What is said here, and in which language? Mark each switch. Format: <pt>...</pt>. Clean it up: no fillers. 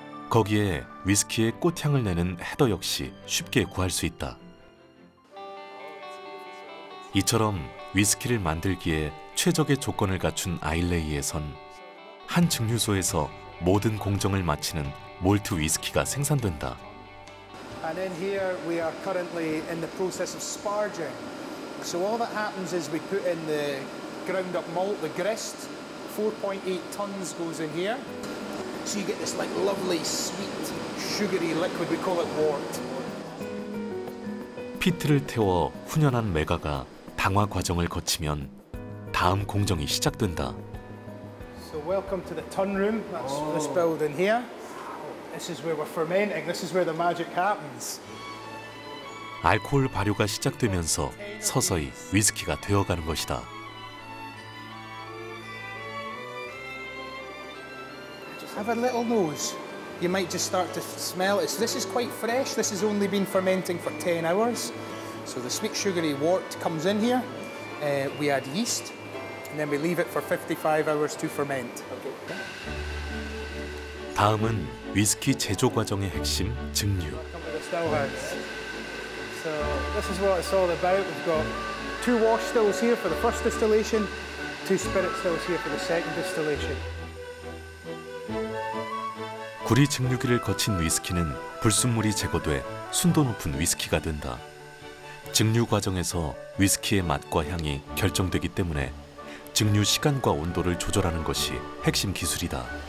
<ko>거기에 위스키의 꽃향을 내는 헤더 역시 쉽게 구할 수 있다. 이처럼 위스키를 만들기에 최적의 조건을 갖춘 아일레이에선 한 증류소에서 모든 공정을 마치는 몰트 위스키가 생산된다.</ko> <en>And in here we are currently in the process of sparging. So all that happens is we put in the ground up malt, the grist. 4.8 tons goes in here. So you get this like lovely sweet sugary liquid, we call it wort.</en> <ko>피트를 태워 훈연한 메가가 당화 과정을 거치면 다음 공정이 시작된다.</ko> <en>So welcome to the tun room. That's this building here. This is where we're fermenting. This is where the magic happens.</en> <ko>알코올 발효가 시작되면서 서서히 위스키가 되어가는 것이다.</ko> <en>Just have a little nose. You might just start to smell it. This is quite fresh. This has only been fermenting for 10 hours. So the sweet sugary wort comes in here. We add yeast. And then we leave it for 55 hours to ferment. Okay.</en> <ko>다음은 위스키 제조 과정의 핵심 증류.</ko> <en>So this is what it's all about. We've got two wash stills here for the first distillation, two spirit stills here for the second distillation.</en> <ko>구리 증류기를 거친 위스키는 불순물이 제거돼 순도 높은 위스키가 된다. 증류 과정에서 위스키의 맛과 향이 결정되기 때문에 증류 시간과 온도를 조절하는 것이 핵심 기술이다.</ko>